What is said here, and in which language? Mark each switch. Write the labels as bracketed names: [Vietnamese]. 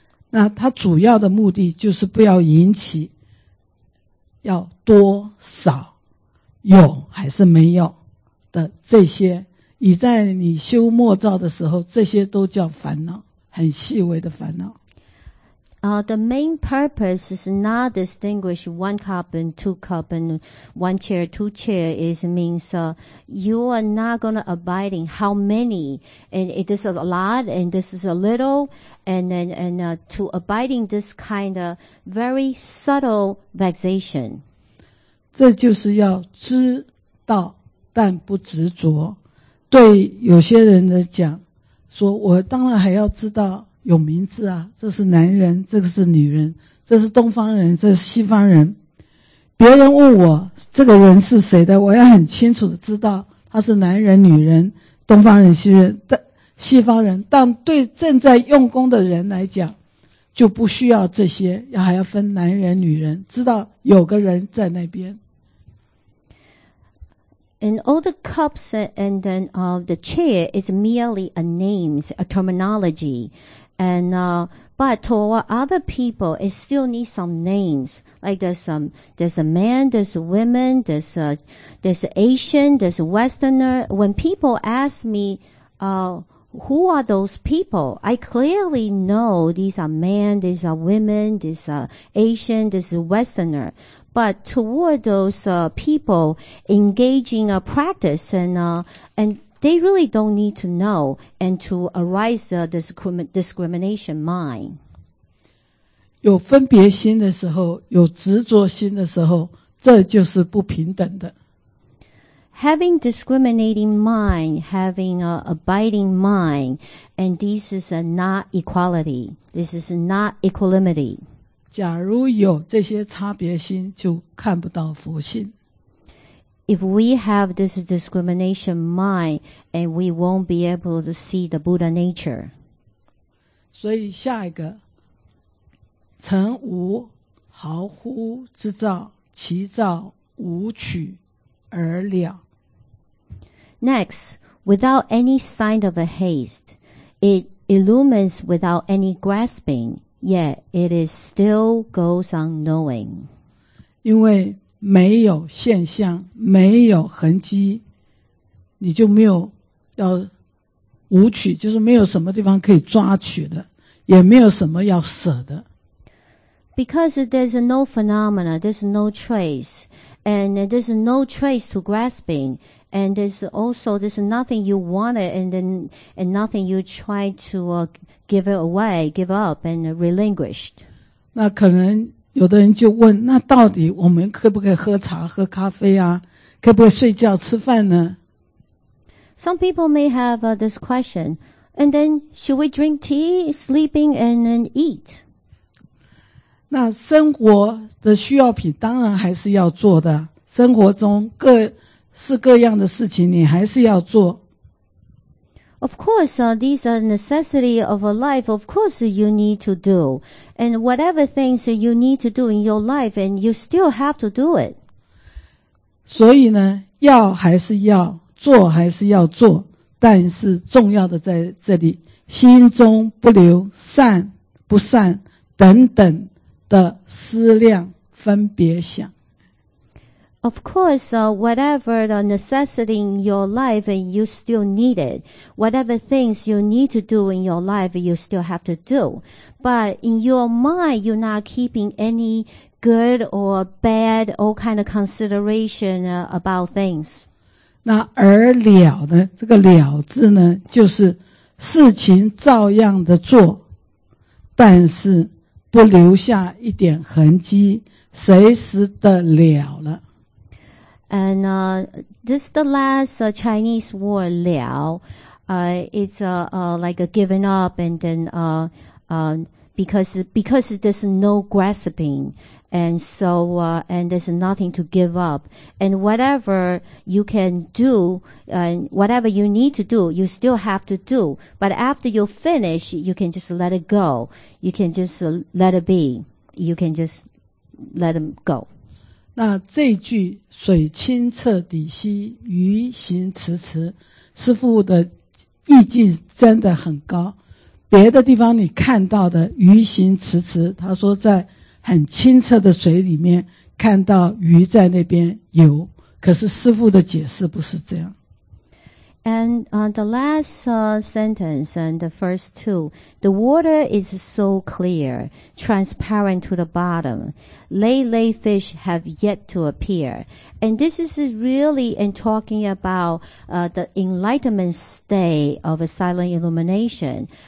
[Chinese] 那它主要的目的就是不要引起要多少有还是没有的这些，以在你修末照的时候，这些都叫烦恼，很细微的烦恼。 [English] The main purpose is not distinguish one cup and two cup and one chair, two chair. It means you are not going to abide in how many. And it is a lot and this is a little. And to abide in this kind of very subtle vexation. [Chinese] 这就是要知道但不执着。对有些人的讲，说我当然还要知道有名字啊，这是男人，这个是女人，这是东方人，这是西方人。别人问我这个人是谁的，我要很清楚的知道他是男人、女人、东方人、西方人。但对正在用功的人来讲，就不需要这些，要还要分男人、女人，知道有个人在那边。 [English] And all the cups and then the chair is merely a name, a terminology. But to other people, it still needs some names. Like there's a man, there's a woman, there's Asian, there's a Westerner. When people ask me, who are those people? I clearly know these are men, these are women, these are Asian, this is Westerner. But toward those people engaging a practice and they really don't need to know and to arise a discrimination mind. [Chinese] 有分别心的时候，有执着心的时候，这就是不平等的。 [English] Having discriminating mind, having an abiding mind, and this is a not equality. This is not equanimity. [Chinese] 假如有这些差别心，就看不到佛性。 [English] If we have this discrimination mind, and we won't be able to see the Buddha nature. [Chinese] 所以下一个，成无毫乎之照，其照无取而了。 [English] Next, without any sign of a haste, it illumines without any grasping, yet it is still goes on knowing. [Chinese] 因为没有现象，没有痕迹，你就没有要无取，就是没有什么地方可以抓取的，也没有什么要舍的。 [English] Because there's no phenomena, there's no trace, and there's no trace to grasping, and there's also there's nothing you want it, and nothing you try to give it away, give up, and relinquish. [Chinese] 那可能有的人就问，那到底我们可不可以喝茶、喝咖啡啊？可不可以睡觉、吃饭呢？ [English] Some people may have this question. And then, should we drink tea, sleeping, and then eat? [Chinese] 那生活的需要品当然还是要做的，生活中各式各样的事情你还是要做。 [English] Of course, these are necessity of a life. Of course, you need to do. And whatever things you need to do in your life, and you still have to do it. [Chinese] 所以呢，要还是要，做还是要做，但是重要的在这里，心中不留善不善等等的思量分别想。 [English] Of course, whatever the necessity in your life, and you still need it. Whatever things you need to do in your life, you still have to do. But in your mind, you're not keeping any good or bad, all kind of consideration about things. [Chinese] 那而了呢？这个了字呢，就是事情照样的做，但是不留下一点痕迹，谁使得了了？ [English] And this the last Chinese war Liao, it's like a given up, and then because there's no grasping, and so and there's nothing to give up, and whatever you can do and whatever you need to do, you still have to do. But after you finish, you can just let it go. You can just let it be. You can just let them go. [Chinese] 那这句水清澈底兮鱼形迟迟，师父的意境真的很高。别的地方你看到的鱼形迟迟，他说在很清澈的水里面看到鱼在那边游，可是师父的解释不是这样。 [English] And the last sentence and the first two, the water is so clear, transparent to the bottom. Lay fish have yet to appear. And this is really in talking about the enlightenment state of a silent illumination.